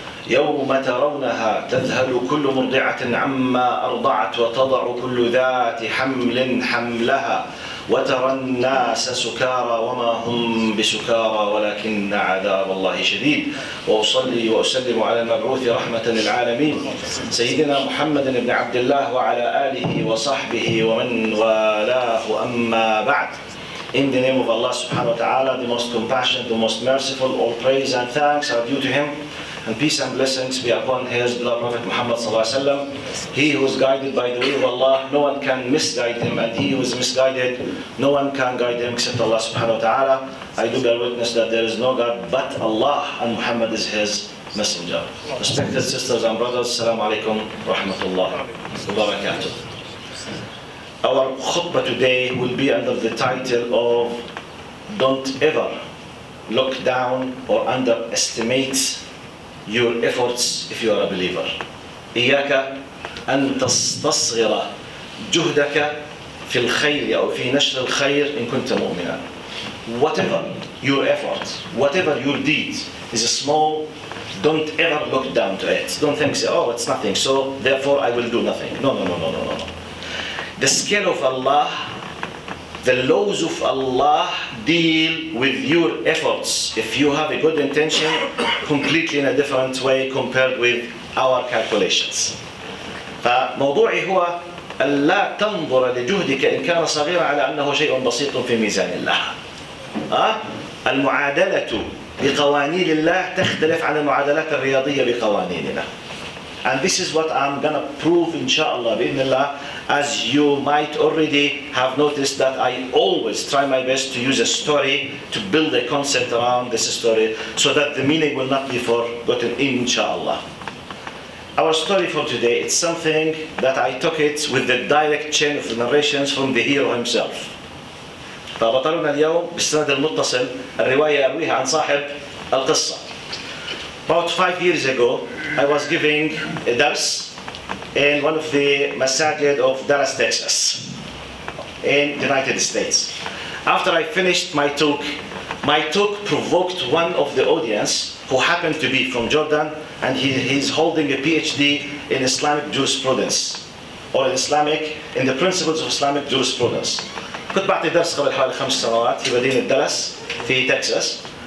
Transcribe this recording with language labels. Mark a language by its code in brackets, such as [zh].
[ar] يوم ترونها تذهل كل مرضعة عما أرضعت وتضع كل ذات حمل حملها وترى الناس سكارى وما هم بسكارى ولكن عذاب الله شديد وأصلي وأسلم على المبعوث رحمة للعالمين سيدنا محمد بن عبد الله وعلى آله وصحبه ومن والاه أما بعد [en] In the name of Allah subhanahu wa ta'ala, the most compassionate, the most merciful, all praise and thanks are due to him. And peace and blessings be upon his beloved Prophet Muhammad sallallahu alaihi wasallam. He who is guided by the way of Allah, no one can misguide him. And he who is misguided, no one can guide him except Allah subhanahu wa ta'ala. I do bear witness that there is no God but Allah and Muhammad is his messenger. Respected sisters and brothers, assalamu alaikum wa rahmatullahi wa barakatuh. Our khutbah today will be under the title of Don't ever look down or underestimate your efforts if you are a believer. [ar] إياك أن تستصغر جهدك في الخير أو في نشر الخير إن كنت مؤمنا. [en] Whatever your effort, whatever your deed is small, don't ever look down to it. Don't think, say, oh, it's nothing, so therefore I will do nothing. No. The scale of Allah, the laws of Allah deal with your efforts. If you have a good intention, completely in a different way compared with our calculations. [ar] فموضوعي هو ألا تنظر لجهدك إن كان صغيرا على أنه شيء بسيط في ميزان الله. المعادلة بقوانين الله تختلف عن المعادلات الرياضية بقوانيننا. [en] And this is what I'm gonna prove, inshallah, [ar] بإذن الله. [en] As you might already have noticed that I always try my best to use a story to build a concept around this story so that the meaning will not be forgotten, inshallah. Our story for today, it's something that I took it with the direct chain of the narrations from the hero himself. [ar] فبطلنا اليوم بالسند المتصل الرواية يرويها عن صاحب القصة. [en] About 5 years ago, I was giving a dars in one of the masajid of Dallas, Texas, in the United States. After I finished my talk provoked one of the audience who happened to be from Jordan, and he's holding a PhD in Islamic jurisprudence, or in the principles of Islamic jurisprudence. [ar] كنت بعطي درس قبل حوالي 5 سنوات في مدينة دالاس في تكساس.